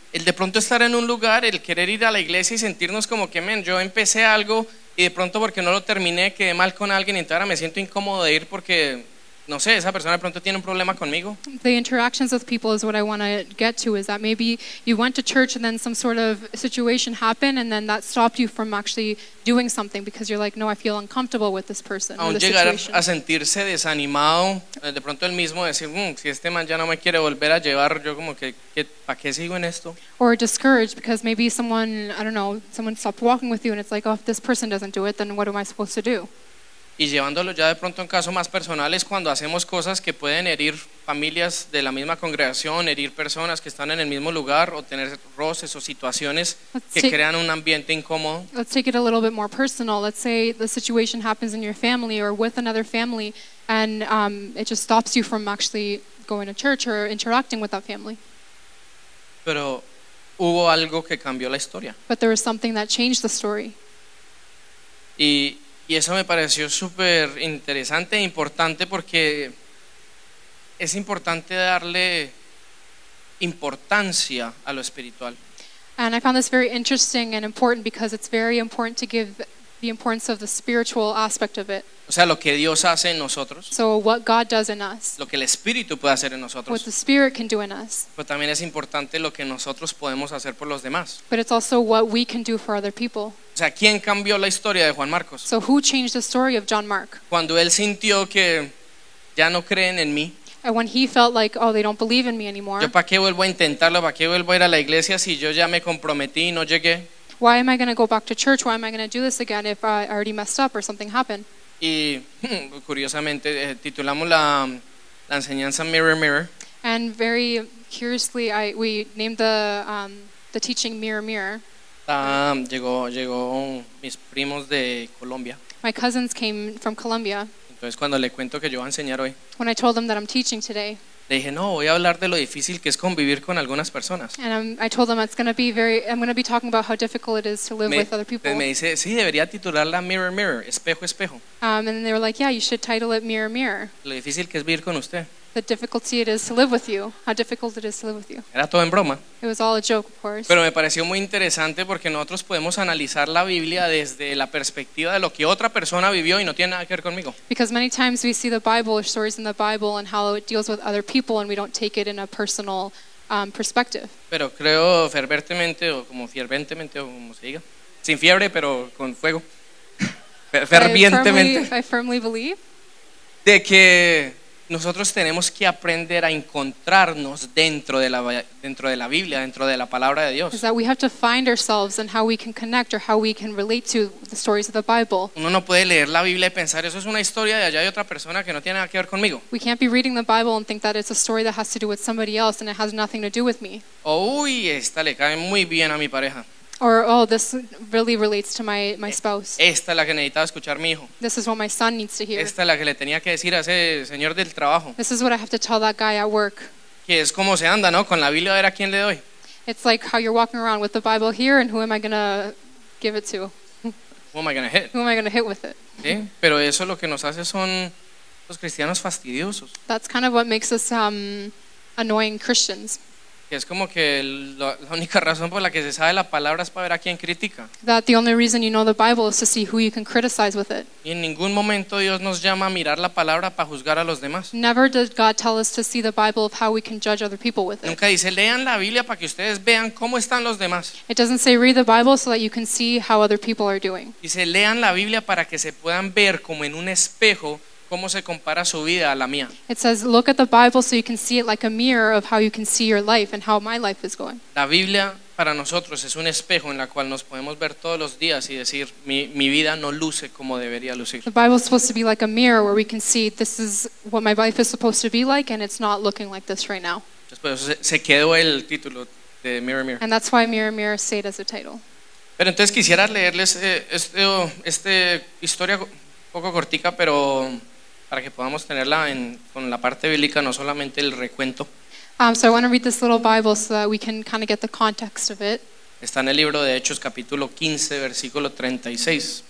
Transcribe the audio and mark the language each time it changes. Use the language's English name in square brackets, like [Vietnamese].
[Spanish] El de pronto estar en un lugar, el querer ir a la iglesia y sentirnos como que, man, yo empecé algo y de pronto porque no lo terminé quedé mal con alguien y entonces ahora me siento incómodo de ir porque, no sé, esa persona de pronto tiene un problema conmigo. [English] The interactions with people is what I want to get to, is that maybe you went to church and then some sort of situation happened and then that stopped you from actually doing something because you're like, no, I feel uncomfortable with this person. [Spanish] Aún llegar a sentirse desanimado, de pronto él mismo decir, si este man ya no me quiere volver a llevar, yo como que ¿para qué sigo en esto? [English] Or discouraged because maybe someone, I don't know, someone stopped walking with you and it's like, oh, if this person doesn't do it, then what am I supposed to do? [Spanish] Y llevándolo ya de pronto a un caso más personal es cuando hacemos cosas que pueden herir familias de la misma congregación, herir personas que están en el mismo lugar o tener roces o situaciones que crean un ambiente incómodo. [English] Let's take it a little bit more personal. Let's say the situation happens in your family or with another family and it just stops you from actually going to church or interacting with that family. [Spanish] Pero hubo algo que cambió la historia. [English] But there was something that changed the story. [Spanish] Y eso me pareció súper interesante e importante porque es importante darle importancia a lo espiritual. [English] And I found this very interesting and important because it's very important to give the importance of the spiritual aspect of it. [Spanish] O sea, lo que Dios hace en nosotros. [English] So what God does in us. [Spanish] Lo que el Espíritu puede hacer en nosotros. [English] What the Spirit can do in us. [Spanish] Pero también es importante lo que nosotros podemos hacer por los demás. [English] But it's also what we can do for other people. [Spanish] O sea, ¿quién cambió la historia de Juan Marcos? [English] So who changed the story of John Mark? [Spanish] Cuando él sintió que ya no creen en mí. [English] And when he felt like, oh, they don't believe in me anymore. [Spanish] ¿Yo para qué vuelvo a intentarlo? ¿Para qué vuelvo a ir a la iglesia si yo ya me comprometí y no llegué? [English] Why am I going to go back to church? Why am I going to do this again if I already messed up or something happened? [Spanish] Y curiosamente titulamos la enseñanza Mirror Mirror. [English] And very curiously, we named the teaching Mirror Mirror. [Spanish] Llegó mis primos de Colombia. [English] My cousins came from Colombia. [Spanish] Entonces cuando le cuento que yo voy a enseñar hoy. [English] When I told them that I'm teaching today. [Spanish] Le dije, no, voy a hablar de lo difícil que es convivir con algunas personas. [English] And I told them I'm going to be talking about how difficult it is to live with other people. [Spanish] Me dice, sí, debería titularla Mirror Mirror, Espejo Espejo. [English] And they were like, yeah, you should title it Mirror Mirror. [Spanish] Lo difícil que es vivir con usted. [English] The difficulty it is to live with you. How difficult it is to live with you. [Spanish] Era todo en broma. [English] It was all a joke, of course. [Spanish] Pero me pareció muy interesante porque nosotros podemos analizar la Biblia desde la perspectiva de lo que otra persona vivió y no tiene nada que ver conmigo. [English] Because many times we see the Bible or stories in the Bible and how it deals with other people and we don't take it in a personal perspective. [Spanish] Pero creo fervientemente o como se diga, sin fiebre pero con fuego. Fervientemente. [English] I firmly believe. [Spanish] De que nosotros tenemos que aprender a encontrarnos dentro de la Biblia, dentro de la palabra de Dios. [English] Is that we have to find ourselves and how we can connect or how we can relate to the stories of the Bible. [Spanish] Uno no puede leer la Biblia y pensar eso es una historia de allá de otra persona que no tiene nada que ver conmigo. [English] We can't be reading the Bible and think that it's a story that has to do with somebody else and it has nothing to do with me. [Spanish] Uy, esta le cae muy bien a mi pareja. [English] Or, oh, this really relates to my spouse. [Spanish] Esta es la que necesitaba escuchar mi hijo. [English] This is what my son needs to hear. [Spanish] Esta es la que le tenía que decir a ese señor del trabajo. [English] This is what I have to tell that guy at work. [Spanish] Que es como se anda, ¿no? Con la Biblia a ver a quién le doy. [English] It's like how you're walking around with the Bible here and who am I going to give it to? Who am I going to hit? Who am I going to hit with it? [Spanish] Sí, pero eso lo que nos hace son los cristianos fastidiosos. [English] That's kind of what makes us annoying Christians. [Spanish] Que es como que la única razón por la que se sabe la palabra es para ver a quién critica. [English] That the only reason you know the Bible is to see who you can criticize with it. [Spanish] Y en ningún momento Dios nos llama a mirar la palabra para juzgar a los demás. [English] Never did God tell us to see the Bible of how we can judge other people with it. [Spanish] Nunca dice lean la Biblia para que ustedes vean cómo están los demás. [English] It doesn't say read the Bible so that you can see how other people are doing. [Spanish] Dice lean la Biblia para que se puedan ver como en un espejo. ¿Cómo se compara su vida a la mía? [English] It says, look at the Bible so you can see it like a mirror of how you can see your life and how my life is going. [Spanish] La Biblia para nosotros es un espejo en la cual nos podemos ver todos los días y decir, mi vida no luce como debería lucir. [English] The Bible is supposed to be like a mirror where we can see this is what my life is supposed to be like and it's not looking like this right now. [Spanish] Después se quedó el título de Mirror Mirror. [English] And that's why Mirror Mirror stayed as a title. [Spanish] Pero entonces quisiera leerles esta historia poco cortica, pero para que podamos tenerla con la parte bíblica, no solamente el recuento. [English] So I want to read this little Bible so that we can kind of get the context of it. [Spanish] Está en el libro de Hechos, capítulo 15, versículo 36.